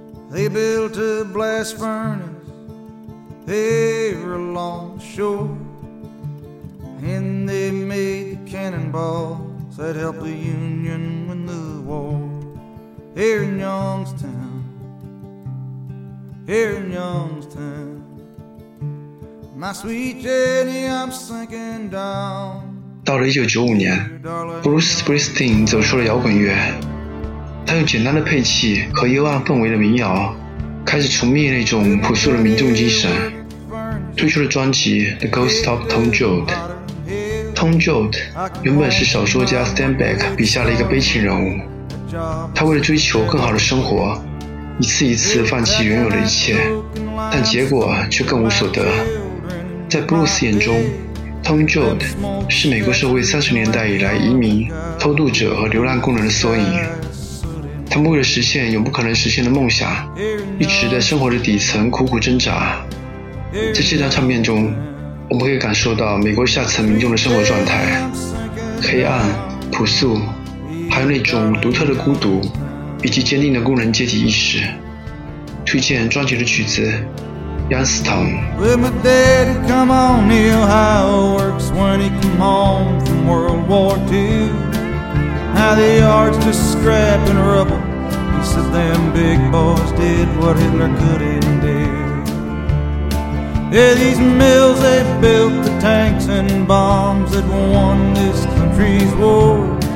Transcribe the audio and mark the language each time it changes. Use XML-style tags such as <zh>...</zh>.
<en>They built a blast furnace there along the shore, and they made the cannonballs that helped the Union win the war. Here in Youngstown, here in Youngstown, my sweet Jenny, I'm sinking down.</en> <zh>到了1995年， Bruce Springsteen 走出了摇滚乐，他用简单的配器和幽暗氛围的民谣开始重觅那种朴素的民众精神，推出了专辑 The Ghost of Tom Joad。 Tom Joad 原本是小说家 Steinbeck 笔下的一个悲情人物，他为了追求更好的生活，一次一次放弃原有的一切，但结果却更无所得。在 Bruce 眼中， Tom Joad 是美国社会30年代以来移民、偷渡者和流浪工人的缩影。他们为了实现永不可能实现的梦想，一直在生活的底层苦苦挣扎。在这张唱片中，我们可以感受到美国下层民众的生活状态，黑暗、朴素，还有那种独特的孤独，以及坚定的工人阶级意识。推荐专辑的曲子《Youngstown》。</zh> <en>Well, my daddy come on, knew how it works when he come home from World War II. How the yards just scrap and rubble. He said them big boys did what Hitler couldn't do. Yeah, these mills, they built the tanks and bombs that won this country's war.</en>